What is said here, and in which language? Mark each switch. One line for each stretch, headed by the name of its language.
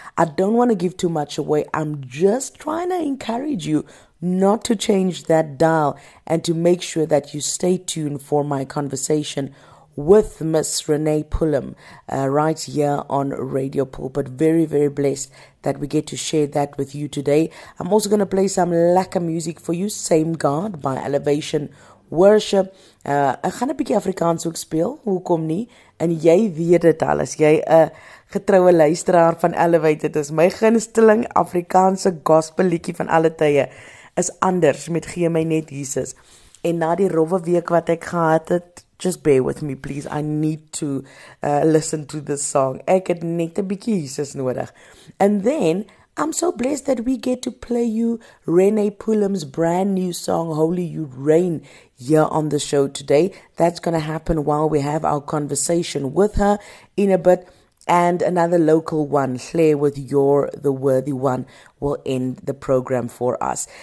English: I don't want to give too much away. I'm just trying to encourage you not to change that dial and to make sure that you stay tuned for my conversation with Miss Renee Pullum right here on Radio Pulpit. Very, very blessed that we get to share that with you today. I'm also going to play some lacquer music for you. Same God by Elevation Worship.
Afrikaans: Ek gaan 'n bietjie Afrikaans ook speel, hoekom nie? En jy weet dit al, as jy 'n getroue luisteraar van Elevate, dit is my gunsteling Afrikaanse gospel liedjie van alle tye, is Anders met Gee My Net Jesus. En na die rowwe week wat ek gehad het,
English: just bear with me please, I need to listen to this song.
Afrikaans: Ek het net 'n bietjie Jesus nodig.
English: And then, I'm so blessed that we get to play you Renee Pullum's brand new song, Holy You Reign, here on the show today. That's going to happen while we have our conversation with her in a bit. And another local one, Claire with Your The Worthy One, will end the program for us.